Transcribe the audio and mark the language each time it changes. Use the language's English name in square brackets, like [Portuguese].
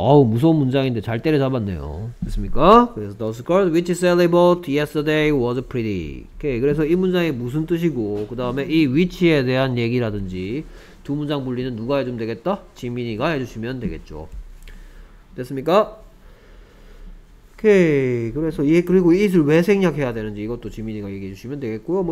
[Korean] 아우 무서운 문장인데 잘 때려잡았네요. 됐습니까? 그래서 [English] The skirt which Sally bought yesterday was pretty. [Korean] 오케이. 그래서 이 문장이 무슨 뜻이고 그 다음에 이 위치에 대한 얘기라든지 두 문장 분리는 누가 해주면 되겠다? 지민이가 해주시면 되겠죠. 됐습니까? 오케이. 그래서 얘 그리고 it을 왜 생략해야 되는지 이것도 지민이가 얘기해 주시면 되겠고요.